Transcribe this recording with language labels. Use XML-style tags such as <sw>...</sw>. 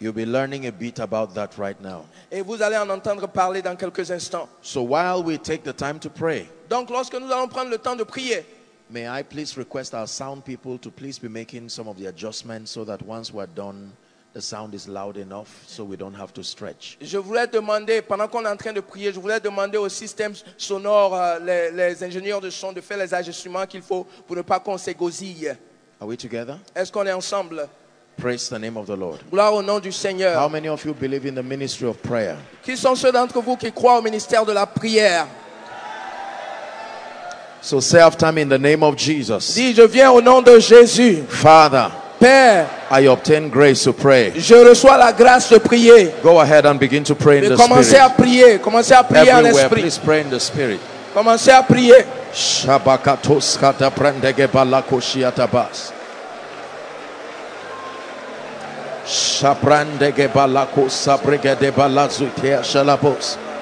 <en>You'll be learning a bit about that right now.</en> <fr>Et vous allez en entendre parler dans quelques instants.</fr> <en>So while we take the time to pray,</en> <fr>donc lorsque nous allons prendre le temps de prier,</fr> <en>may I please request our sound people to please be making some of the adjustments so that once we're done, the sound is loud enough so we don't have to stretch.</en> <fr>Je voulais demander, pendant qu'on est en train de prier, je voulais demander au système sonore, les ingénieurs de son, de faire les ajustements qu'il faut pour ne pas qu'on s'égosille.</fr> <en>Are we together?</en> <fr>Est-ce qu'on est ensemble?</fr> <en>Praise the name of the Lord.</en> <fr>Gloire au nom du Seigneur.</fr> <en>How many of you believe in the ministry of prayer?</en> <fr>Qui sont ceux d'entre vous qui croient au ministère de la prière?</fr> <en>So say after me in the name of Jesus.</en> <fr>Dis, je viens au nom de Jésus.</fr> <en>Father,</en> <fr>Père,</fr> <en>I obtain grace to pray.</en> <fr>Je reçois la grâce de prier.</fr> <en>Go ahead and begin to pray in the</en> <fr>commencez</fr> <en>spirit.</en> <fr>À prier. Commencez à prier</fr> <en>everywhere,</en> <fr>en esprit.</fr> <en>Please pray in the spirit.</en> <fr>Commencez à prier. Shabakatos kata prendege balakoshiatabas. Shaprendege balakosa brigade balazutia shalabos.</fr>